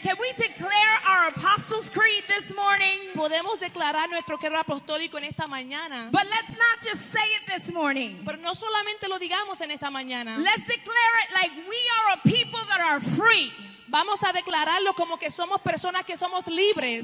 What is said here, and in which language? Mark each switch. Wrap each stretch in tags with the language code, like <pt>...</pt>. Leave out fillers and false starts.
<en>Can we declare our Apostles' Creed this morning?</en> <es>Podemos declarar nuestro credo apostólico en esta mañana.</es> <en>But let's not just say it this morning.</en> <es>Pero no solamente lo digamos en esta mañana.</es> <en>Let's declare it like we are a people that are free.</en> <es>Vamos a declararlo como que somos personas que somos libres.</es>